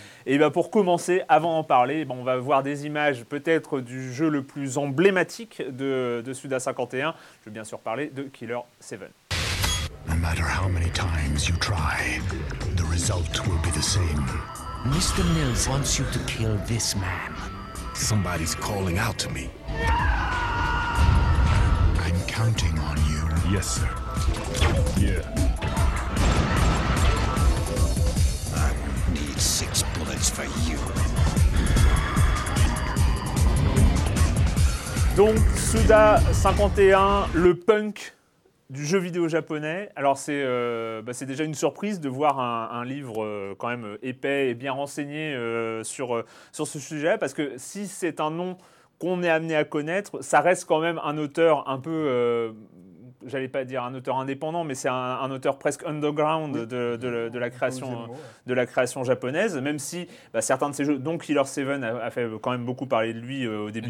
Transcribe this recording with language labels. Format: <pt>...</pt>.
<fr>Et bien, pour commencer, avant d'en parler, ben, on va voir des images peut-être du jeu le plus emblématique de Suda 51. Je veux bien sûr parler de Killer 7.</fr> <en>No matter how many times you try, the result will be the same. Mr. Mills wants you to kill this man. Somebody's calling out to me. No! I'm counting on you. Yes, sir. Yeah. I need 6 bullets for you.</en> <fr>Donc, Suda 51, le punk du jeu vidéo japonais. Alors c'est déjà une surprise de voir un livre quand même épais et bien renseigné sur ce sujet, parce que si c'est un nom qu'on est amené à connaître, ça reste quand même un auteur un peu, j'allais pas dire un auteur indépendant, mais c'est un auteur presque underground de la création japonaise, même si certains de ses jeux, dont Killer 7 a fait quand même beaucoup parler de lui au début</fr>